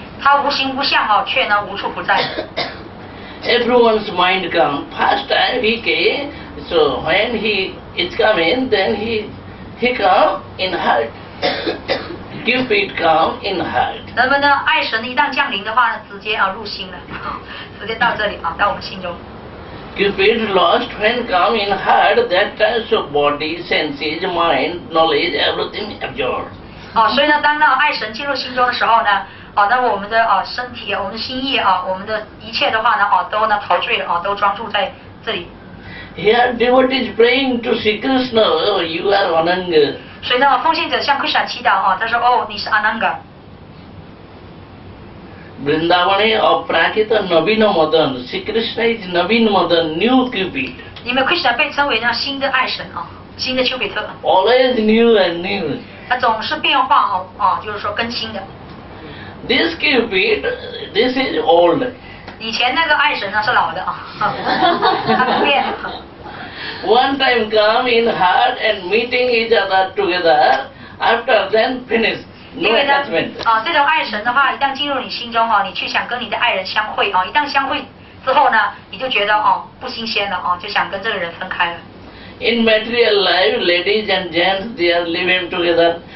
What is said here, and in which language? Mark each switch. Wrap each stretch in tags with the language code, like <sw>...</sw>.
<zh>他无形无相啊，却呢无处不在。</zh> <en>Everyone's mind come. First time he came, so when he is coming, then he come in heart. Cupid come in heart.</en> <zh>那么呢，爱神一旦降临的话，直接啊入心了，直接到这里啊，到我们心中。</zh> <en>Cupid lost when come in heart, that time so body, senses, mind, knowledge, everything absorbed.</en> <zh>哦，所以呢，当那爱神进入心中的时候呢，哦，那我们的哦身体，我们的心意啊，我们的一切的话呢，哦，都呢陶醉了，哦，都专注在这里。</zh> <en>Here, devotees praying to Sri Krishna, oh, you are Ananga.</en> <zh>所以呢，奉献者向 Krishna 祈祷啊，他说，哦，你是 Ananga。</zh> <sa>Vrindavane aprakita navina madan,</sa> <en>Sri Krishna is navina madan, new Cupid.</en> <zh>你们 Krishna 被称为呢新的爱神啊，新的丘比特。</zh> <en>Always new and new.</en> <zh>它总是变化啊啊，就是说更新的。</zh> <en>This Cupid, this is old.</en> <zh>以前那个爱神呢是老的啊，他不变。</zh> <en>One time come in heart and meeting each other together, after then finish.</en> <zh>因为呢，这种爱神的话，一旦进入你心中哦，你去想跟你的爱人相会哦，一旦相会之后呢，你就觉得哦不新鲜了哦，就想跟这个人分开了。</zh> <en>In material life, ladies and gents, they are living together.</en>